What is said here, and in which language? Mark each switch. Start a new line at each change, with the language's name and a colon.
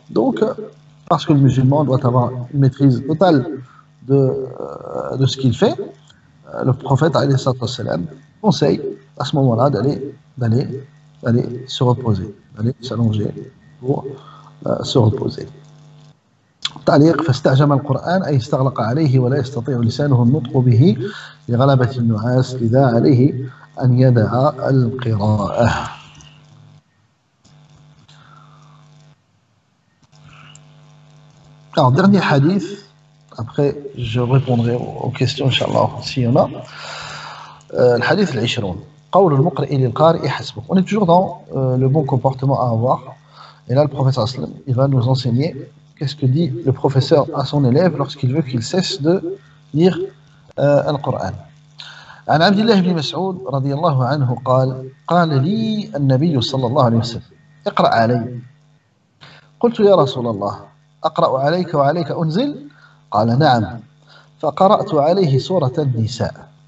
French: Donc, parce que le musulman doit avoir une maîtrise totale de ce qu'il fait, le prophète alayhi wa sallam conseille à ce moment-là d'aller se reposer, d'aller s'allonger pour se reposer.
Arabic: تعليق فاستعجم القرآن أي استغلق عليه ولا يستطيع لسانه النطق به لغلبة النعاس لذا عليه أن يدع القراءة.
French: Alors, dernier hadith, après je répondrai aux questions, inshallah, s'il y en a. Le hadith l'Ishrun. On est toujours dans le bon comportement à avoir. Et là, le professeur Aslam, il va nous enseigner qu'est-ce que dit le professeur à son élève lorsqu'il veut qu'il cesse de lire le Coran.
Arabic: عن عبد الله بن مسعود رضي الله عنه قال قال لي النبي صلى الله عليه وسلم اقرأ علي قلت يا رسول الله أقرأ عليك وعليك أنزل قال نعم فقرأت عليه سورة النساء